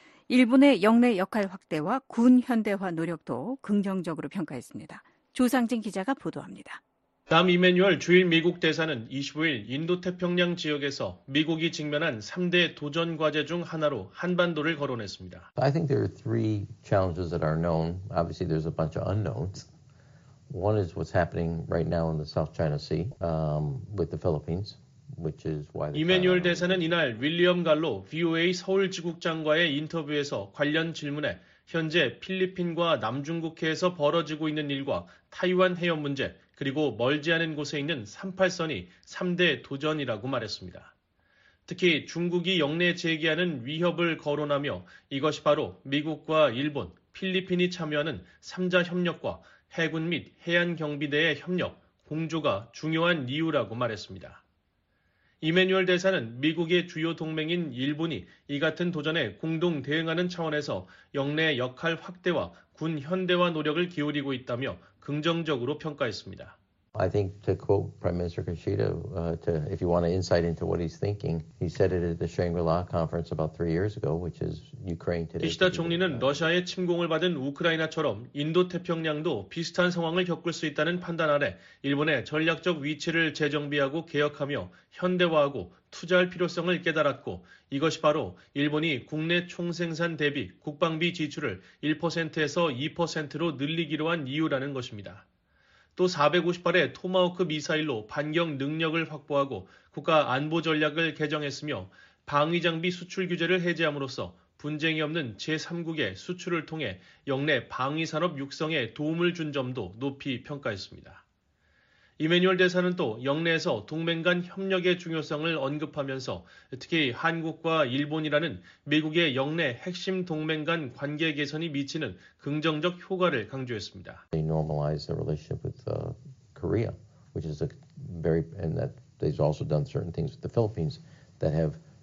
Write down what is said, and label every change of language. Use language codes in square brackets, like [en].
[ko] 일본의 영내 역할 확대와 군 현대화 노력도 긍정적으로 평가했습니다. 조상진 기자가 보도합니다. 담 이메뉴얼 주일 미국 대사는 25일 인도태평양 지역에서 미국이 직면한 3대 도전 과제 중 하나로 한반도를 거론했습니다. [en] I think there are three challenges that are known. Obviously, there's a bunch of unknowns. One is what's happening right now in the South China Sea with the Philippines, which is why. [ko] 이메뉴얼 대사는 이날 윌리엄 갈로 VOA 서울지국장과의 인터뷰에서 관련 질문에 현재 필리핀과 남중국해에서 벌어지고 있는 일과 타이완 해협 문제 그리고 멀지 않은 곳에 있는 38선이 3대 도전이라고 말했습니다. 특히 중국이 영내 제기하는 위협을 거론하며 이것이 바로 미국과 일본, 필리핀이 참여하는 3자 협력과 해군 및 해안경비대의 협력, 공조가 중요한 이유라고 말했습니다. 이메뉴얼 대사는 미국의 주요 동맹인 일본이 이 같은 도전에 공동 대응하는 차원에서 영내 역할 확대와 군 현대화 노력을 기울이고 있다며 긍정적으로 평가했습니다. [en] I think to quote Prime Minister Kishida, if you want an insight into what he's thinking, he said it at the Shangri-La conference about 3 years ago, which is Ukraine today. [ko] 키시다 총리는 러시아의 침공을 받은 우크라이나처럼 인도태평양도 비슷한 상황을 겪을 수 있다는 판단 아래 일본의 전략적 위치를 재정비하고 개혁하며 현대화하고 투자할 필요성을 깨달았고 이것이 바로 일본이 국내 총생산 대비 국방비 지출을 1%에서 2%로 늘리기로 한 이유라는 것입니다. 또 458의 토마호크 미사일로 반격 능력을 확보하고 국가 안보 전략을 개정했으며 방위 장비 수출 규제를 해제함으로써 분쟁이 없는 제3국의 수출을 통해 영내 방위 산업 육성에 도움을 준 점도 높이 평가했습니다. 이메뉴얼 대사는 또 영내에서 동맹 간 협력의 중요성을 언급하면서 특히 한국과 일본이라는 미국의 영내 핵심 동맹 간 관계 개선이 미치는 긍정적 효과를 강조했습니다. [en] They normalize the relationship with Korea, which is a very and that they've also done certain things with the Philippines that have